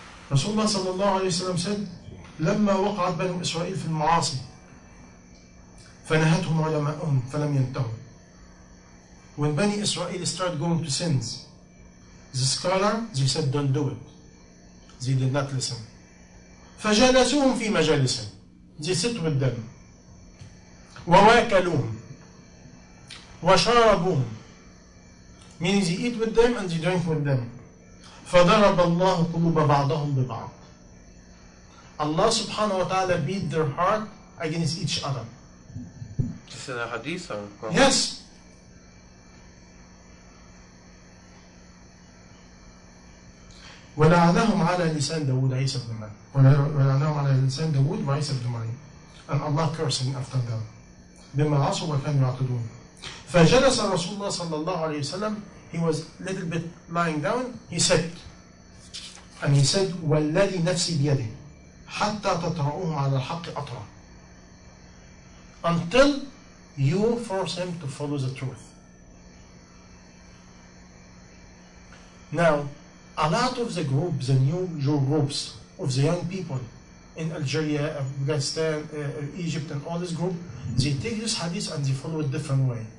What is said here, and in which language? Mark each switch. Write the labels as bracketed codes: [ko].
[ar] Rasulullah sallallahu alayhi wa sallam said, لما وقعت بنو إسرائيل في المعاصي فنهتهم علماءهم فلم ينتهوا. [en] When Bani Israel start going to sins, the scholar, they said, don't do it. They did not listen. [ar] فجلسوهم في مجالسهم. [en] They sit with them. [ar] وواكلوهم. وَشَارَبُهُمْ [en] means he eat with them and he drink with them. [ar] فَضَرَبَ اللَّهُ قُلُوبَ بَعْضَهُمْ بِبَعْضٍ [en] Allah subhanahu wa ta'ala beat their heart against each other. This is a hadith or Quran? Yes. [ar] وَلَعَنَهُمْ عَلَى لِسَانِ دَوُودَ عِيسَى بْنِ مَرْيَمَ وَلَعَنَهُمْ عَلَى لِسَانِ دَوُودَ وَعِيسَى بْنِ مَرْيَمَ [en] And Allah cursing after them. [ar] بِمَا عَصُوا وَكَانُوا يَعْتَدُونَ فَجَلَسَ رَسُولُ اللَّهِ صَلَّى اللَّهُ عَلَيْهِ وَسَلَّمَ [en] He was a little bit lying down. He said, and he said, [ar] وَالَّذِي نَفْسِي بِيَدِهِ حَتَّى تَطْرَعُوهُمْ عَلَى الْحَقِّ أَطْرَعُ [en] Until you force him to follow the truth. Now, a lot of the groups, the new groups of the young people in Algeria, Afghanistan, Egypt, and all this group, they take this hadith and they follow it a different way.